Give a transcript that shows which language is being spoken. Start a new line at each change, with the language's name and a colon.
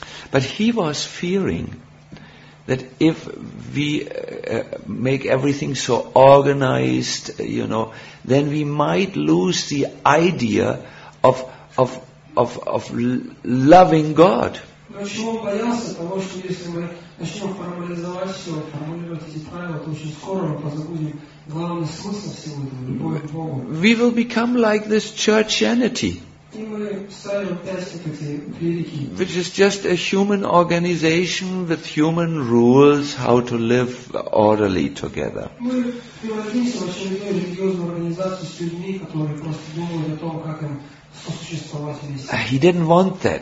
English: But he was fearing that if we make everything so organized, you know, then we might lose the idea of loving God.
Russian: Почему он боялся того, что если мы начнем формализовать все, формулировать эти правила, то очень скоро мы позабудем главный смысл всего этого, любовь к Богу.
English: We will become like this churchianity. Which is just a human organization with human rules how to live orderly together. He didn't want that.